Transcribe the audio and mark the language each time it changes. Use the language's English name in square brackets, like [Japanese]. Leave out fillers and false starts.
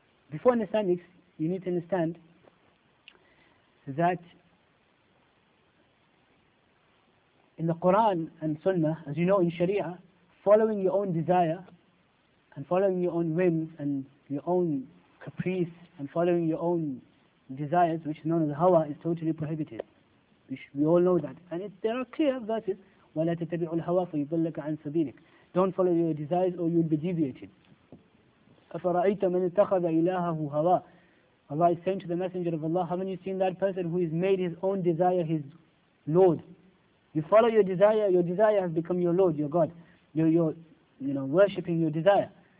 [English] Before understanding, you need to understand that in the Quran and Sunnah, as you know in Sharia, following your own desire and following your own whims and your own caprice and following your own desires, which is known as hawa, is totally prohibited. We all know that. And there are clear verses, [Arabic] وَلَا تَتَبِعُ الْهَوَى فَيُضِلَّكَ عَنْ سَبِيلِكَ. [English] Don't follow your desires or you'll be deviated. [Arabic] أَفَرَأَيْتَ مَنِ اتَّخَذَ إِلَاهَهُ هَوَى. [English] Allah is saying to the Messenger of Allah, haven't you seen that person who has made his own desire his Lord? You follow your desire has become your Lord, your God. You're worshipping your desire.